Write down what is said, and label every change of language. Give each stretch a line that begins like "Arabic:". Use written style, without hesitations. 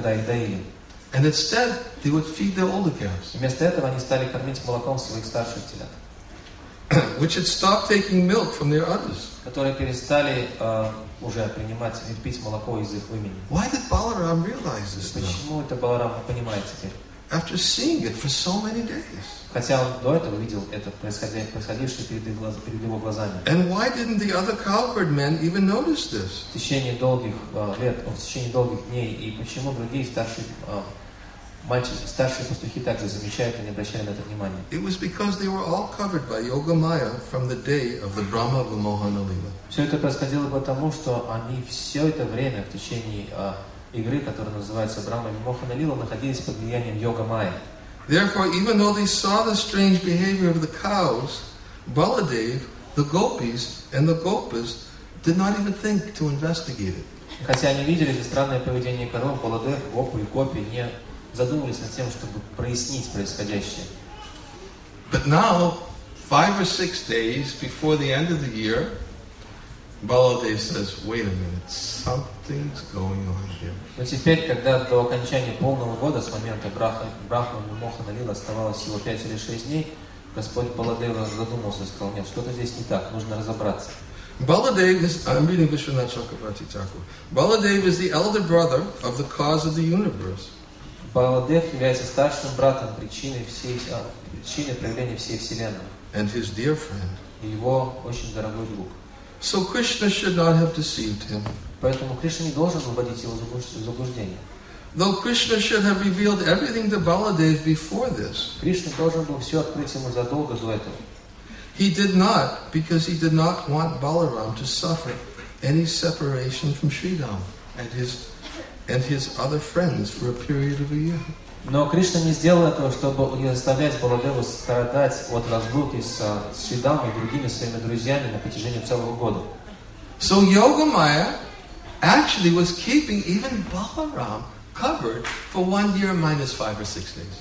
English: And instead, they would feed their older calves, which had stopped taking milk from their udders.
Russian: Которые перестали уже принимать и пить молоко из их вымени.
English: Why did Balaram realize this?
Russian: Почему это Баларам понимает теперь?
English: After seeing it for so many days.
Russian: Хотя он до этого видел это происходившее перед его глазами.
English: And why didn't the other cowherd men even notice this?
Russian: В течение долгих лет, в течение долгих дней, и почему другие старшие старшие пастухи также замечают и не обращают на это внимания.
English: It was because they were all covered by yoga maya from the day of the Brahma Vimohana Lila.
Russian: Все это происходило потому, что они все это время в течение игры, которая называется Брахма Вимохана Лила, находились под влиянием йога майя.
English: Therefore, even though they saw the strange behavior of the cows, Baladev, the gopis, and the gopas did not even think to investigate it.
Russian: Хотя они видели это странное поведение коров, Баладев, Гопу и Гопи не задумались над тем, чтобы прояснить происходящее.
English: But now, 5 or 6 days before the end of the year, Баладев says, "Wait a minute, something's going on here."
Russian: Но теперь, когда до окончания полного года с момента Брахмана Моханалила оставалось всего 5 или 6 дней, Господь Баладева задумался и сказал: "Нет, что-то здесь не так. Нужно разобраться."
English: Баладев is, I'm reading Vishwanath Chakravarti Thakur. Baladev is the elder brother of the cause of the universe.
Russian: Баладев является старшим братом причины проявления всей вселенной.
English: And his dear friend.
Russian: И его очень дорогой друг.
English: So Krishna should not have deceived him.
Russian: Поэтому Кришна не должен вводить его в заблуждение.
English: Though Krishna should have revealed everything to Baladev before this.
Russian: Кришна должен был все открыть ему задолго до этого.
English: He did not, because he did not want Balaram to suffer any separation from Sridham and his other friends for a period of a year.
Russian: Но Кришна не сделал этого, чтобы не заставлять Баладеву страдать от разлуки с Сридхарой и другими своими друзьями на протяжении целого года.
English: So Yogamaya actually was keeping even Balaram covered for 1 year minus 5 or 6 days.